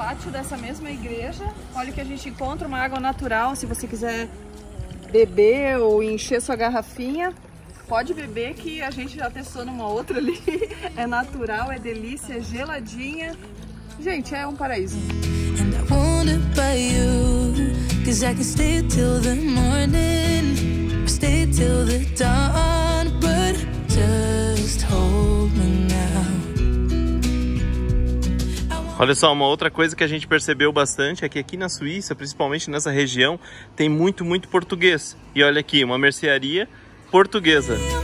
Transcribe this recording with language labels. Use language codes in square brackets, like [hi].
[pt] Dessa mesma igreja, olha que a gente encontra uma água natural. Se você quiser beber ou encher sua garrafinha, pode beber, que a gente já testou numa outra ali. É natural, é delícia, é geladinha. Gente, é um paraíso. [en] And I wonder by you, 'cause I can stay till the morning, stay till the dawn, but just hold me. [pt] Olha só, uma outra coisa que a gente percebeu bastante é que aqui na Suíça, principalmente nessa região, tem muito, muito português. E olha aqui, uma mercearia portuguesa.